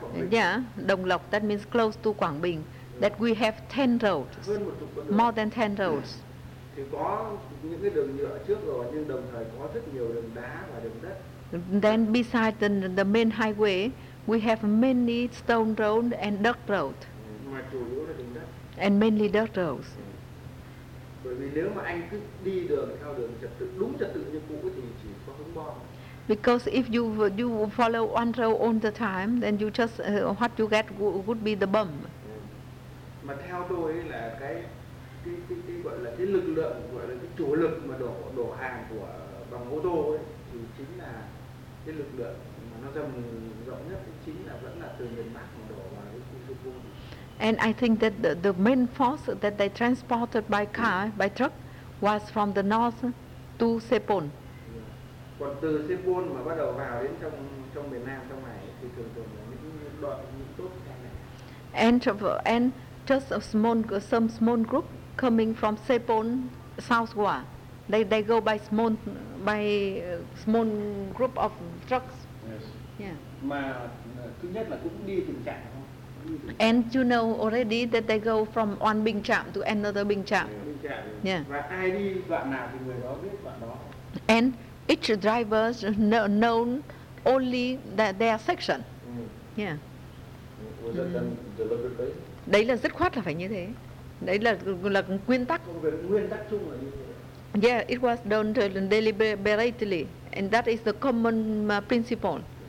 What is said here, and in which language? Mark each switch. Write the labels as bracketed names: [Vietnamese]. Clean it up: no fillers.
[English] Yeah, Đồng Lộc, that means close to Quảng Bình. That we have 10 roads, more than 10 roads. [Vietnamese] Thì có những cái đường nhựa trước rồi, nhưng đồng thời có rất nhiều đường đá và đường đất. [English] Then besides the main highway, we have many stone roads and dirt roads. [Vietnamese] Mà chủ yếu là đường đất. [English] And mainly dirt roads. [Vietnamese] Bởi vì nếu mà anh cứ đi đường theo đường trật tự, đúng trật tự như cũ thì chỉ có hướng bom. [English] Because if you follow one row all the time, then you just what you get would be the bomb. [Vietnamese] Mà theo tôi là cái gọi là cái lực lượng, gọi là cái chủ lực mà đổ hàng của bằng ô tô ấy, thì chính là cái lực lượng mà nó rộng nhất chính là vẫn là từ miền Bắc mà đổ vào cái khu vực. [English] And I think that the main force that they transported by car, by truck, was from the north to Sepol. [Vietnamese] Còn từ Sepol mà bắt đầu vào đến trong miền Nam, trong này thì thường là những đoạn những tốt này. [English] And just some small group coming from Sepol southward. They go by small group of trucks. Yes. Yeah. [Vietnamese] Mà thứ nhất là cũng đi từng trạm. [English] And you know already that they go from one Bình Trạm to another Bình Trạm. Yeah. [Vietnamese] Và ai đi đoạn nào thì người đó biết đoạn đó. [English] And each driver known only their section. Mm. Yeah. Was that done deliberately? [Vietnamese] Đấy là dứt khoát là phải như thế. Đấy là nguyên tắc. Nguyên tắc chung là như thế. [English] Yeah, it was done deliberately, and that is the common principle.